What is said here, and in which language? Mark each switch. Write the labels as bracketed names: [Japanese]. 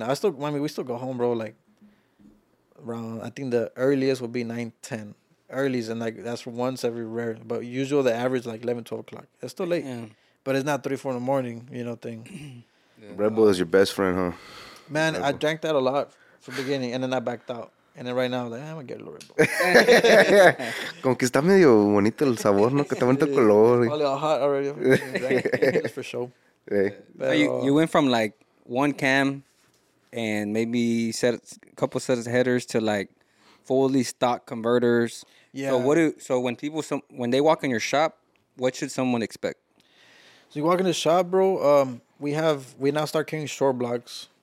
[English] We still go home, bro, like around, I think the earliest would be 9-10 earlies, and like that's once every rare, but usual the average like 11-12 o'clock. It's still late, yeah. But it's not 3-4 in the morning, you know, thing. Yeah. Red Bull is your best friend, huh? Man, I drank that a lot from the beginning, and then I backed out. And then right now, I'm like, I'm going to get a little Red Bull. [Spanish] Como que está medio bonito el sabor, ¿no? Que está bonito color. [English] Probably all hot already. That's for sure. Hey. But, you went from, like, one cam and maybe a couple sets of headers to, like, fully stock converters. Yeah. So when they walk in your shop, what should someone expect? So you walk in the shop, bro, we now start carrying short blocks.